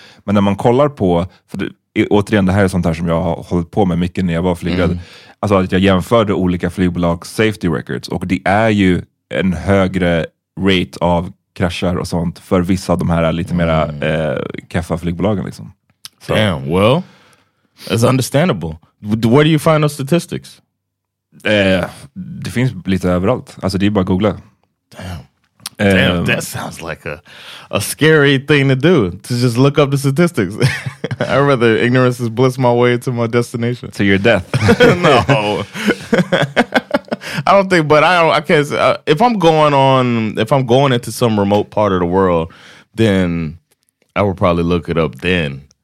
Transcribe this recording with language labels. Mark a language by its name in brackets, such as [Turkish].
[Swedish] Men när man kollar på, för det, återigen, det här är sånt här som jag har hållit på med mycket när jag var flygad. Mm. Alltså att jag jämförde olika flygbolags safety records. Och det är ju en högre rate av kraschar och sånt för vissa av de här lite mera kaffa flygbolagen liksom. [English] So. Damn, well, it's understandable. Where do you find those statistics? [Swedish] Det finns lite överallt. Alltså det är bara att googla. [English] Damn, that sounds like a scary thing to do, to just look up the statistics. I'd rather ignorance is bliss my way to my destination. To your death. No. I don't think, but I can't, if I'm going into some remote part of the world, then I would probably look it up then.